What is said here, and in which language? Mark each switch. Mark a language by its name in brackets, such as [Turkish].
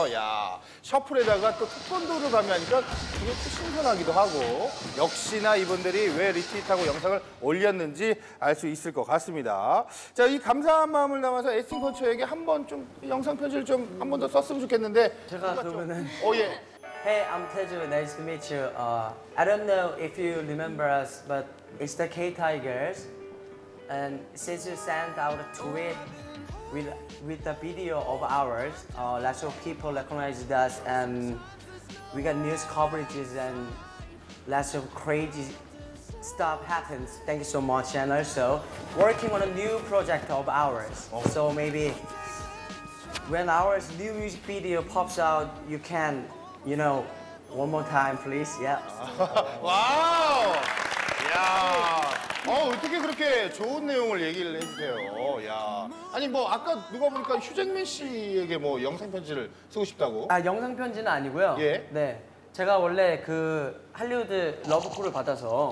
[Korean] 야, 셔플에다가 또 태권도를 발매하니까 이게 또 신선하기도 하고 역시나 이분들이 왜 리트윗하고 영상을 올렸는지 알 수 있을 것 같습니다. 자, 이 감사한 마음을 담아서 에스틴코처에게 한번 좀 영상 편지를 좀 한 번 더 썼으면 좋겠는데 제가 그러면은 예. [English] Hey, I'm Taeju. Nice to meet you. I don't know if you remember us, but it's the K-Tigers. And since you sent out a tweet with the video of ours, lots of people recognized us, and we got news coverages, and lots of crazy stuff happens. Thank you so much. And also, working on a new project of ours. So maybe when our new music video pops out, you can, you know, one more time, please. Yeah. Wow. Yeah. [Korean] 어떻게 그렇게 좋은 내용을 얘기를 해주세요? 야. 아니 뭐 아까 누가 보니까 휴잭맨 씨에게 뭐 영상 편지를 쓰고 싶다고? 아 영상 편지는 아니고요. 예. 네. 제가 원래 그 할리우드 러브콜을 받아서.